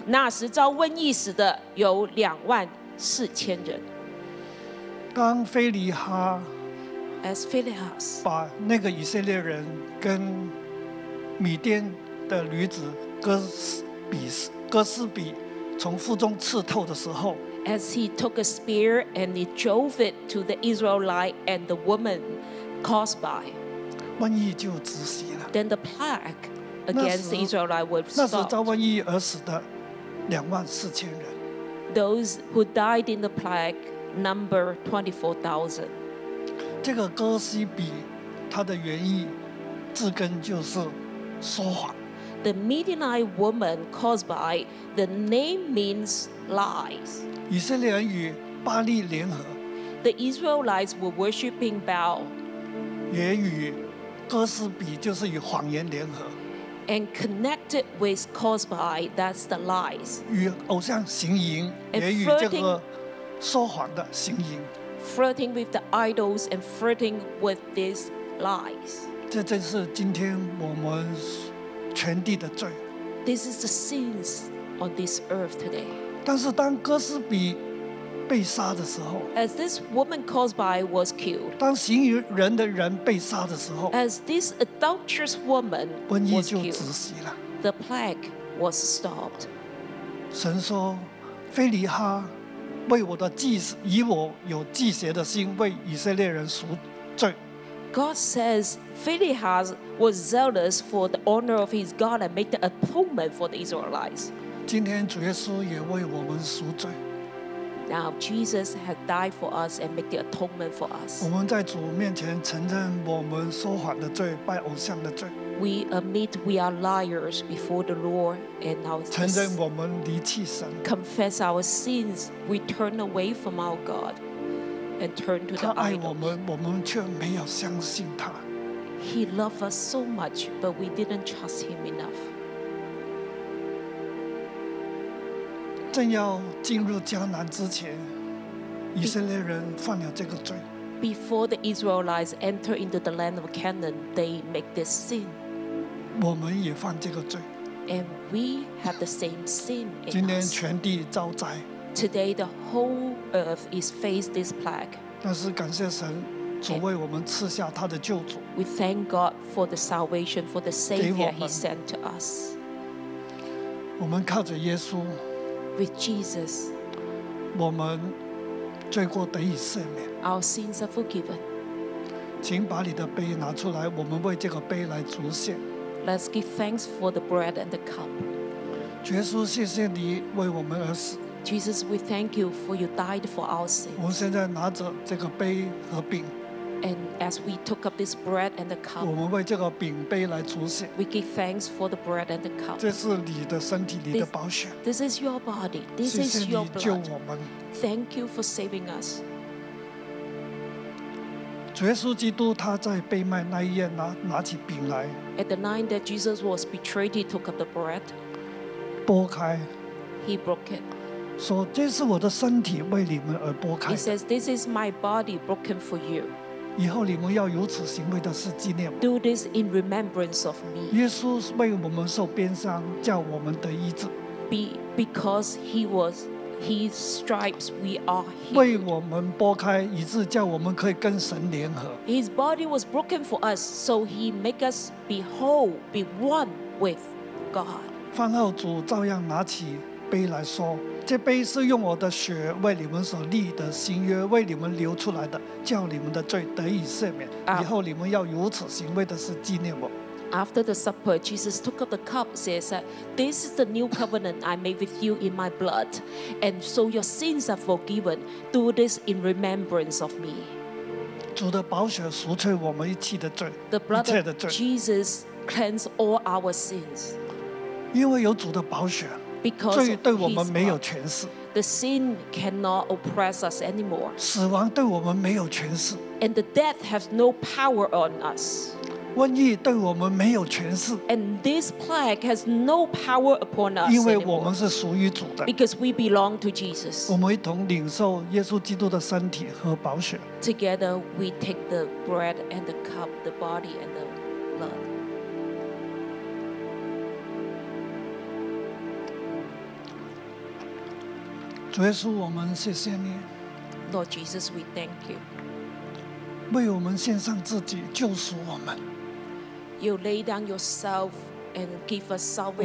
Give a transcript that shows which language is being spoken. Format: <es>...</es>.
<zh>那时遭瘟疫死的有24,000人。当腓尼哈</zh> <en>，as Phinehas，</en> <zh>把那个以色列人跟米甸的女子哥斯比从腹中刺透的时候</zh> <en>，as he took a spear and he drove it to the Israelite and the woman。 Caused by,</en> <zh>瘟疫就止息了。</zh> <en>Then the plague against the Israelites was stopped.</en> <zh>那时遭瘟疫而死的24,000人。</zh> <en>those who died in the plague number 24,000.</en> <zh>这个哥西比他的原意字根就是说谎。</zh> <en>The Midianite woman caused by the name means lies.</en> <zh>以色列人与巴利联合。</zh> <en>The Israelites were worshipping Baal.</en> <zh>也与哥斯比就是与谎言联合。</zh> <en>And connected with caused by, that's the lies.</en> <zh>与偶像行淫，也与这个说谎的行淫。</zh> <en>Flirting with the idols and flirting with these lies.</en> <zh>这真是今天我们全地的罪。</zh> <en>This is the sins on this earth today.</en> <zh>但是当哥斯比被杀的时候，</zh> <en>as this woman caused by was killed，</en> <zh>当行淫人的人被杀的时候，</zh> <en>as this adulterous woman was killed，</en> <zh>瘟疫就止息了，</zh> <en>the plague was stopped。</en> <zh>神说非利哈为我的祭，以我有祭邪的心为以色列人赎罪。</zh> <en>God says Philiha was zealous for the honor of his God and made the atonement for the Israelites。</en> <zh>今天主耶稣也为我们赎罪。</zh> <en>Now Jesus has died for us and made the atonement for us.</en> <zh>我们在主面前承认我们说谎的罪，拜偶像的罪。</zh> <en>We admit we are liars before the Lord and our sins.</en> <zh>承认我们离弃神。</zh> <en>Confess our sins, we turn away from our God and turn to the idols.</en> <zh>他爱我们，我们却没有相信他。</zh> <en>He loved us so much, but we didn't trust him enough.</en> <zh>正要进入迦南之前，以色列人犯了这个罪。</zh> <en>Before the Israelites enter into the land of Canaan, they make this sin.</en> <zh>我们也犯这个罪。</zh> <en>And we have the same sin.</en> <zh>今天全地遭灾。</zh> <en>Today the whole earth is faced this plague.</en> <zh>但是感谢神，主为我们赐下他的救主。</zh> <en>We thank God for the salvation for the Savior He sent to us.</en> <zh>我们靠着耶稣。</zh> <en>With Jesus,</en> <zh>我们罪过得以赦免。</zh> <en>Our sins are forgiven.</en> <zh>请把你的杯拿出来，我们为这个杯来祝谢。</zh> <en>Let's give thanks for the bread and the cup.</en> <zh>主耶稣，谢谢你为我们而死。</zh> <en>Jesus, we thank you for you died for our sins.</en> <zh>我们现在拿着这个杯和饼。</zh> <en>And as we took up this bread and the cup,</en> <zh>我们为这个饼杯来祝谢。</zh> <en>We give thanks for the bread and the cup.</en> <zh>这是你的身体，你的宝血。</zh> <en>This is your body. This is your blood.</en> <zh>谢谢你救我们。</zh> <en>Thank you for saving us.</en> <zh>主耶稣基督他在被卖那一夜拿起饼来。</zh> <en>At the night that Jesus was betrayed, he took up the bread.</en> <zh>擘开。</zh> <en>He broke it.</en> <zh>说这是我的身体为你们而擘开。</zh> <en>He says, "This is my body broken for you."</en> <zh>以后你们要如此行为的是纪念我。</zh> <en>Do this in remembrance of me.</en> <zh>耶稣为我们受鞭伤，叫我们得医治。</zh> <en>Because he was, his stripes we are healed.</en> <zh>为我们擘开，以致叫我们可以跟神联合。</zh> <en>His body was broken for us, so he make us be whole, be one with God.</en> <zh>饭后主照样拿起杯来说。这杯是用我的血为你们所立的新约，为你们流出来的，叫你们的罪得以赦免。以后你们要如此行为的是纪念我。</zh> <en>After the supper, Jesus took up the cup, says, "This is the new covenant I made with you in my blood, and so your sins are forgiven. Do this in remembrance of me."</en> <zh>主的宝血赎罪我们一切的罪，一切的罪。</zh> <en>Jesus cleansed all our sins.</en> <zh>因为有主的宝血。</zh> <en>Because</en> <zh>罪对我们没有权势。</zh> <en>The sin cannot oppress us anymore.</en> <zh>死亡对我们没有权势。</zh> <en>And the death has no power on us.</en> <zh>瘟疫对我们没有权势。</zh> <en>And this plague has no power upon us.</en> <zh>因为我们是属于主的。</zh> <en>Because we belong to Jesus.</en> <zh>我们一同领受耶稣基督的身体和宝血。</zh> <en>Together we take the bread and the cup, the body and the blood.</en> <zh>主耶稣，我们谢谢你。</zh> <en>Lord Jesus, we thank you.</en> <zh>为我们献上自己，救赎我们。</zh> <en>You lay down yourself and give us salvation.</en>